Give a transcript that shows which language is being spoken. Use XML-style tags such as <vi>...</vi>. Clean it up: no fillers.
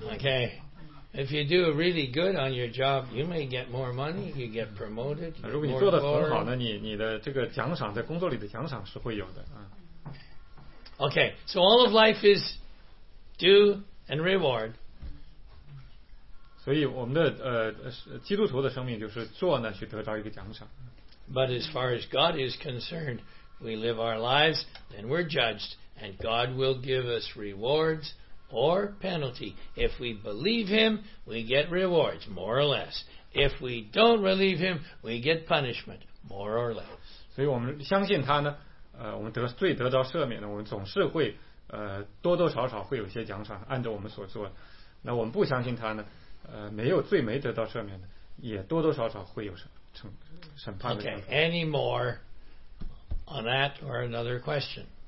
<en>Okay. If you do really good on your job, you may get more money. You get promoted.</en> <zh>如果你做得很好呢，你的这个奖赏在工作里的奖赏是会有的啊。</zh> <en>Okay, so all of life is do and reward.</en> <zh>所以我们的基督徒的生命就是做呢去得到一个奖赏。</zh> <en>But as far as God is concerned, we live our lives, then we're judged, and God will give us rewards. Or penalty. If we believe him, we get rewards, more or less. If we don't believe him, we get punishment, more or less.</en> <zh>所以我们相信他呢，我们罪得到赦免呢，我们总是会多多少少会有些奖赏，按照我们所做的。那我们不相信他呢，没有罪没得到赦免的，也多多少少会有审判的。</zh> <en>Okay. Any more on that or another question?</en>